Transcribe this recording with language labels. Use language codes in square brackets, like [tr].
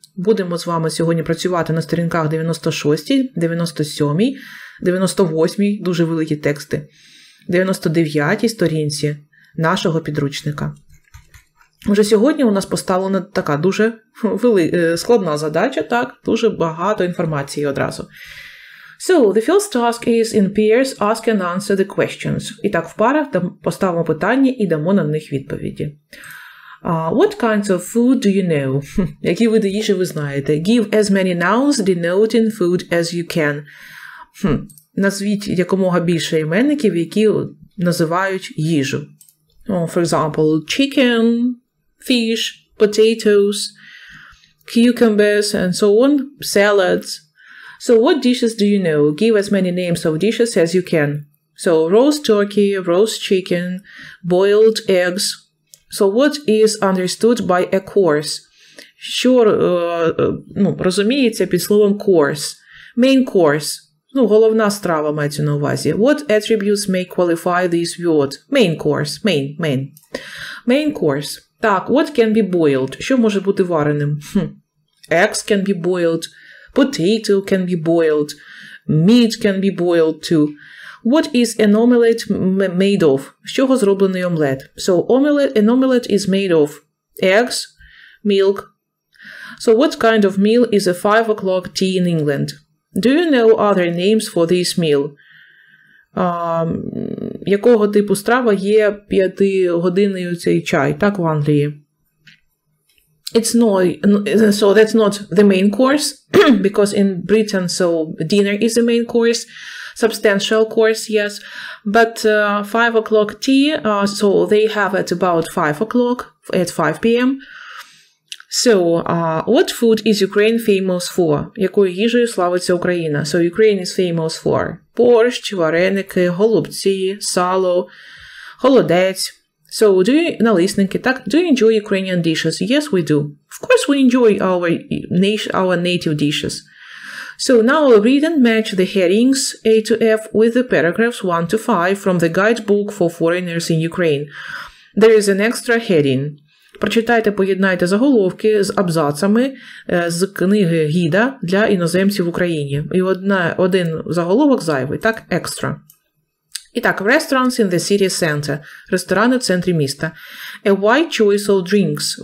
[uk] Будемо з вами сьогодні працювати на сторінках 96, 97, 98, дуже великі тексти, 99 сторінці нашого підручника. Вже сьогодні у нас поставлена така дуже складна задача, так, дуже багато інформації одразу. [en] So, the first task is in pairs, ask and answer the questions. [uk] І так в парах поставимо питання і дамо на них відповіді. [en] What kinds of food do you know? [uk] Які види їжі ви знаєте? [en] Give as many nouns denoting food as you can. [uk] Назвіть якомога більше іменників, які називають їжу. [en] For example, chicken, fish, potatoes, cucumbers, and so on, salads. So what dishes do you know? Give as many names of dishes as you can. So roast turkey, roast chicken, boiled eggs. So what is understood by a course? [uk] Що розуміється під словом [en] course? Main course. [uk] Ну, головна страва мається на увазі. [en] What attributes may qualify this word? Main course. Main. Main course. Так, what can be boiled? [uk] Що може бути вареним? [en] Eggs can be boiled. Potato can be boiled. Meat can be boiled too. What is an omelette made of? [uk] З чого зроблений омлет? [en] So, an omelette is made of eggs, milk. So, what kind of meal is a 5 o'clock tea in England? Do you know other names for this meal? [uk] Якого типу страва є 5-годинний цей чай, так, в Англії? [en] That's not the main course, because in Britain, so dinner is the main course. Substantial course, yes. But 5 o'clock tea, so they have at about 5 o'clock, at 5 p.m. So, what food is Ukraine famous for? [uk] Якою їжею славиться Україна? [en] So, Ukraine is famous for борщ, вареники, голубці, сало, холодець. So, do you, налисники, так, do you enjoy Ukrainian dishes? Yes, we do. Of course, we enjoy our native dishes. So, now read and match the headings A to F with the paragraphs 1 to 5 from the guidebook for foreigners in Ukraine. There is an extra heading. [uk] Прочитайте, поєднайте заголовки з абзацами з книги гіда для іноземців в Україні. І один заголовок зайвий, так, extra. [en] І так, restaurants in the city center. [uk] Ресторани в центрі міста. [en] A wide choice of drinks.